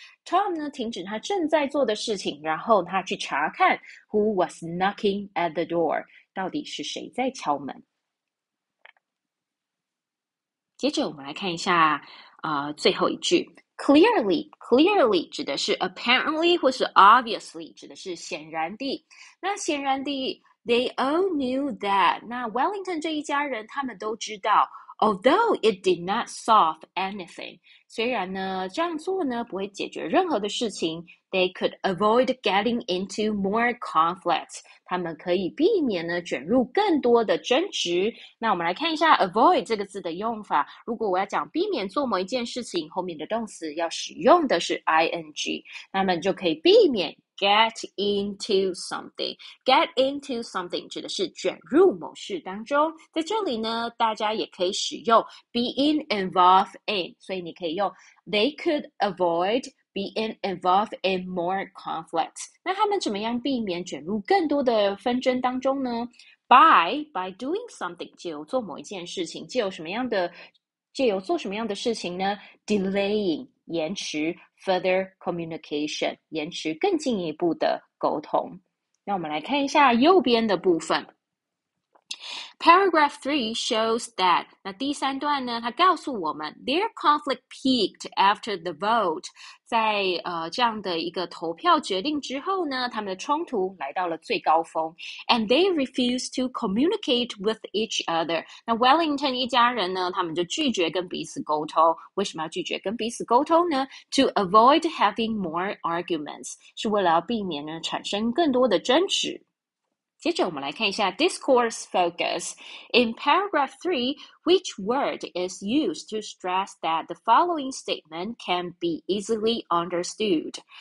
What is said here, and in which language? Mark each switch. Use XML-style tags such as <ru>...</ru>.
<zh>Tom 呢停止他正在做的事情，然后他去查看</zh> <en>who was knocking at the door，</en> <zh>到底是谁在敲门。接着我们来看一下最后一句。Clearly 指的是 apparently 或是 obviously 指的是显然地。那显然地，</zh> <en>they all knew that。</en> <zh>那 Wellington 这一家人，他们都知道。</zh> <en>Although it did not solve anything，</en> <zh>虽然呢这样做呢不会解决任何的事情，</zh> <en>they could avoid getting into more conflicts，</en> <zh>他们可以避免呢卷入更多的争执。那我们来看一下 avoid 这个字的用法。如果我要讲避免做某一件事情，后面的动词要使用的是 ing，那么就可以避免。</zh> <en>Get into something. Get into something 指的是</en> <zh>卷入某事当中。在这里呢，大家也可以使用</zh> <en>being involved in，</en> <zh>所以你可以用</zh> <en>they could avoid being involved in more conflicts。</en> <zh>那他们怎么样避免卷入更多的纷争当中呢？</zh> <en>By doing something，</en> <zh>借由做某一件事情，借由做什么样的事情呢？Delaying 延迟。</zh> <en>Further communication</en> <zh>延迟更进一步的沟通。那我们来看一下右边的部分。</zh> <en>Paragraph 3 shows that,</en> <zh>那第三段呢, 它告诉我们,</zh> <en>their conflict peaked after the vote.</en> <zh>在这样的一个投票决定之后呢, 他们的冲突来到了最高峰,</zh> <en>and they refused to communicate with each other.</en> <zh>那Wellington一家人呢, 他们就拒绝跟彼此沟通, 为什么要拒绝跟彼此沟通呢?</zh> <en>To avoid having more arguments,</en> <zh>是为了避免呢, 产生更多的争执。接着我们来看一下discourse focus.</zh> <en>In paragraph 3, which word is used to stress that the following statement can be easily understood?</en>